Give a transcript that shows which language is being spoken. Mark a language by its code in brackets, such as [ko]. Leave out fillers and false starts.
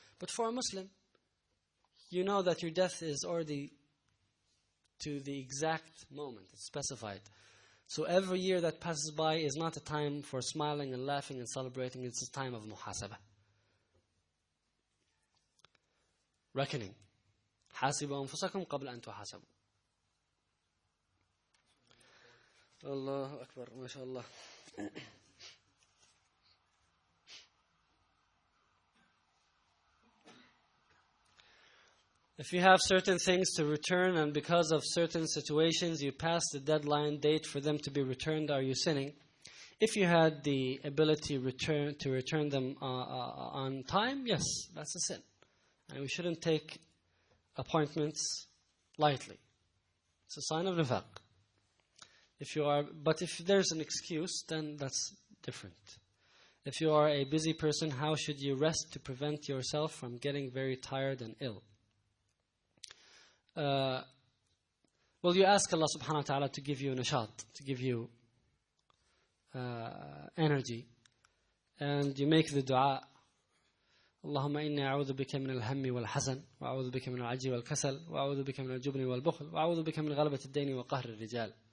[en] But for a Muslim, you know that your death is already to the exact moment, it's specified. So every year that passes by is not a time for smiling and laughing and celebrating, it's a time of muhasaba. Reckoning. [ar] حاسبوا أنفسكم قبل أن تحاسبوا. الله أكبر ما شاء الله. [en] If you have certain things to return and because of certain situations you pass the deadline date for them to be returned, are you sinning? If you had the ability to return them on time, yes, that's a sin. And we shouldn't take appointments lightly. It's a sign of nifaq. But if there's an excuse, then that's different. If you are a busy person, how should you rest to prevent yourself from getting very tired and ill? Well, you ask Allah subhanahu wa ta'ala to give you nishat, to give you energy. And you make the dua. [ar] اللهم إني أعوذ بك من الهم والحزن وأعوذ بك من العجل والكسل وأعوذ بك من الجبن والبخل وأعوذ بك من غلبة الدين وقهر الرجال.